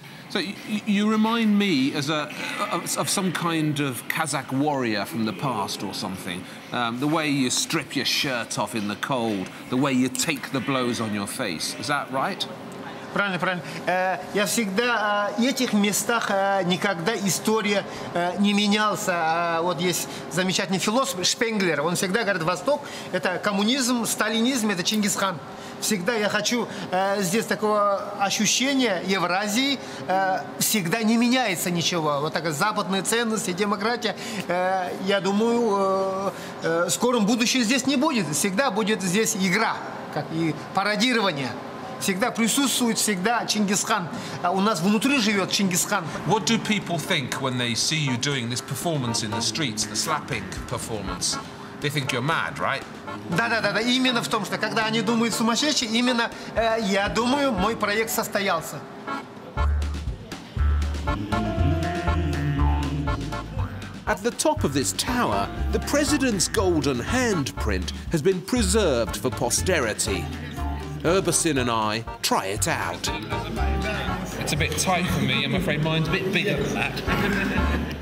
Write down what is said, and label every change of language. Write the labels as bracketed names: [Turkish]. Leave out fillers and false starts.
[English] So you remind me as a of some kind of Kazakh warrior from the past or something. The way you strip your shirt off in the cold, the way you take the blows on your face. Is that right? [Russian] Правильно, правильно. Я всегда в этих местах никогда история не менялся. Вот есть замечательный философ Шпенглер. Он всегда говорит, Восток – это коммунизм, сталинизм – это Чингисхан. Всегда я хочу здесь такого ощущения Евразии. Всегда не меняется ничего. Вот такая западная ценность и демократия. Я думаю, в скором будущем здесь не будет. Всегда будет здесь игра как и пародирование. Всегда присутствует, всегда Чингисхан. У нас внутри живет Чингисхан. [English] What do people think when they see you doing this performance in the streets, the slapping performance? They think you're mad, right? [Russian] Да-да-да, именно в том, что когда они думают сумасшедший, именно я думаю, мой проект состоялся. [English] At the top of this tower, the president's golden handprint has been preserved for posterity. Urbasin and I try it out. It's a bit tight for me, I'm afraid mine's a bit bigger than that.